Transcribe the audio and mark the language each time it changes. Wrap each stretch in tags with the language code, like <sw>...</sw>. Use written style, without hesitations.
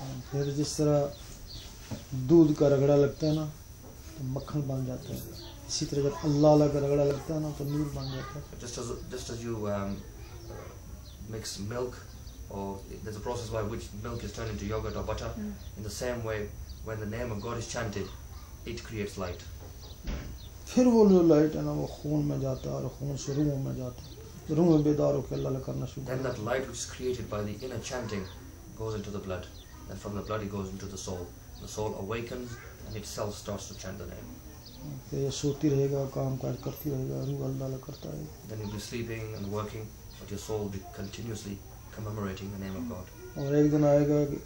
<hi>फिर जिस तरह दूध का रगड़ा लगता है ना तो मक्खन बन जाता है, इसी तरह जब अल्लाह अल्लाह का रगड़ा लगता है ना तो नूर बन जाता है।</hi> <en>Just as you mix milk, or there's a process by which milk is turned into yogurt or butter, in the same way when the name of God is chanted, it creates light.</en> <hi>फिर वो जो light है ना वो खून में जाता है और खून से रूहों में जाता है।</hi> <en>Then that light which is created by the inner chanting goes into the blood, and from the blood it goes into the soul. The soul awakens and itself starts to chant the name. Then you'll be sleeping and working, but your soul will be continuously commemorating the name of God.</en>